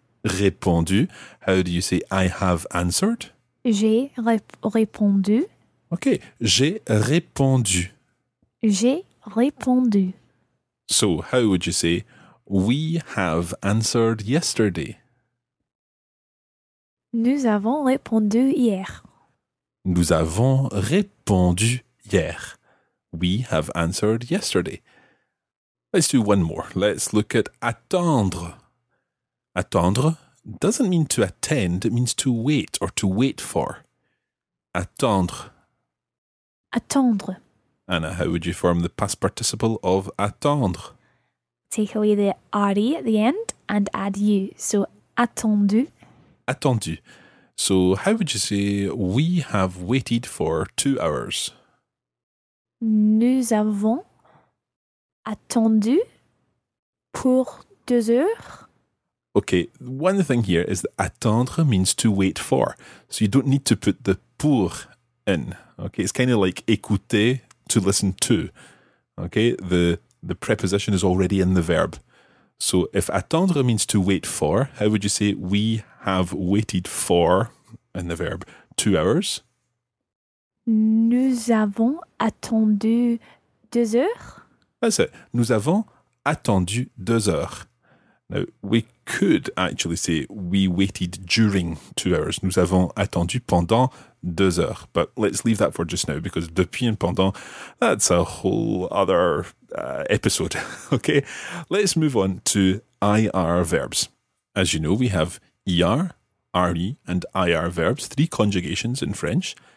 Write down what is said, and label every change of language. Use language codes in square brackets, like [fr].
[fr] Répondu. [en] How do you say I have answered? [fr] J'ai répondu. Ok, j'ai répondu. J'ai répondu. [en] So, how would you say, we have answered yesterday? [fr] Nous avons répondu hier. Nous avons répondu hier. [en] We have answered yesterday. Let's do one more. Let's look at attendre. Attendre doesn't mean to attend, it means to wait or to wait for. [fr] Attendre. Attendre. [en] Anna, how would you form the past participle of attendre? Take away the RE at the end and add you. [fr] So, attendu. Attendu. [en] So, how would you say we have waited for 2 hours? [fr] Nous avons attendu pour 2 heures. [en] Okay, one thing here is that attendre means to wait for. So, you don't need to put the pour in. Okay, it's kind of like écouter, to listen to. Okay, the preposition is already in the verb. So if attendre means to wait for, how would you say we have waited for, in the verb, 2 hours? [fr] Nous avons attendu 2 heures. [en] That's it. [fr] Nous avons attendu 2 heures. [en] Now, we could actually say we waited during 2 hours. [fr] Nous avons attendu pendant 2 heures. [en] But let's leave that for just now, because depuis and pendant, that's a whole other episode, okay? Let's move on to IR verbs. As you know, we have ER, RE, and IR verbs, three conjugations in French.